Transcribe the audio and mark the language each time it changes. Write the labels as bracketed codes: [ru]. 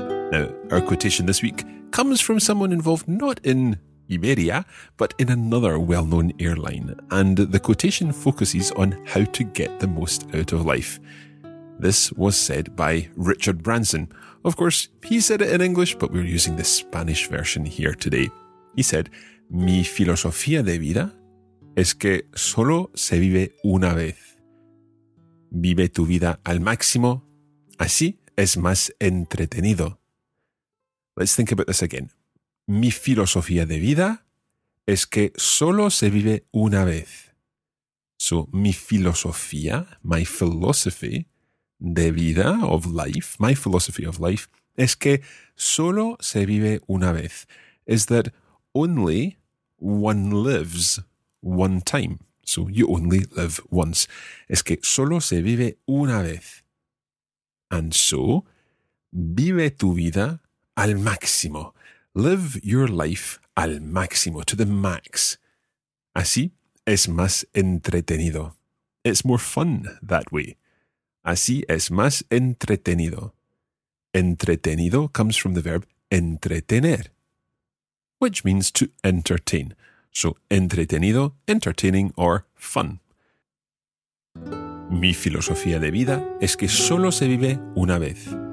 [en] Now, our quotation this week comes from someone involved not in Iberia, but in another well-known airline, and the quotation focuses on how to get the most out of life. This was said by Richard Branson. Of course, he said it in English, but we're using the Spanish version here today. [es] y [en] said, [es] mi filosofía de vida es que solo se vive una vez. Vive tu vida al máximo, así es más entretenido. [en] Let's think about this again. [es] Mi filosofía de vida es que solo se vive una vez. [en] So, [es] mi filosofía, [en] my philosophy [es] de vida, [en] of life, my philosophy of life, [es] es que solo se vive una vez. [en] Is that only one lives one time. So, you only live once. [es] Es que solo se vive una vez. [en] And so, [es] vive tu vida al máximo. [en] Live your life [es] al máximo, [en] to the max. [es] Así es más entretenido. [en] It's more fun that way. [es] Así es más entretenido. [en] Entretenido comes from the verb entretener, which means to entertain. So, entretenido, entertaining, or fun. [es] Mi filosofía de vida es que solo se vive una vez.